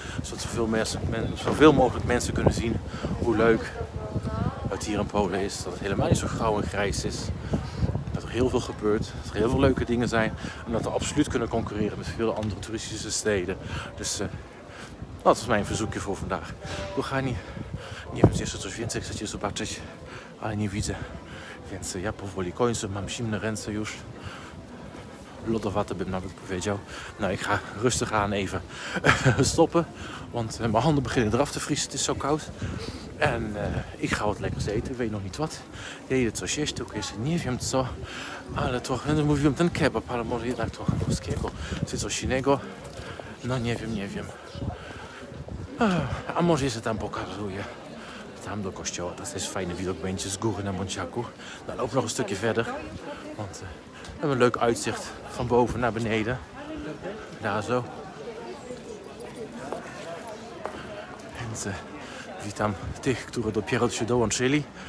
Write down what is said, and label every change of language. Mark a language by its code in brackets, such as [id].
[nl] Zodat zoveel mogelijk mensen kunnen zien hoe leuk het hier in Polen is. Dat het helemaal niet zo grauw en grijs is. Dat er heel veel gebeurt. Dat er heel veel leuke dingen zijn. En dat we absoluut kunnen concurreren met veel andere toeristische steden. Dus dat is mijn verzoekje voor vandaag. We gaan niet. [pl] Nie wiem, czy jeszcze coś więcej chcecie zobaczyć, ale nie widzę, więc ja powoli kończę, mam zimne ręce już, lodowate bym nawet powiedział. [nl] Nou, ik ga rustig aan even stoppen, want mijn handen beginnen eraf te vriezen, het is zo koud. En ik ga wat lekkers eten, weet nog niet wat. [pl] Jedę coś jeść, tylko jeszcze nie wiem co, ale toch, mówiłem ten kebab, ale może jednak trochę polskiego, czy coś innego, nie wiem. A może jeszcze tam pokazuję. Tam do kościoła, to jest fajny widok będzie z góry na Monciaku. [nl] No, loop nog een stukje verder, want we hebben een leuk uitzicht van boven naar beneden. Daar zo. [pl] En witam tych, którzy dopiero się dołączyli.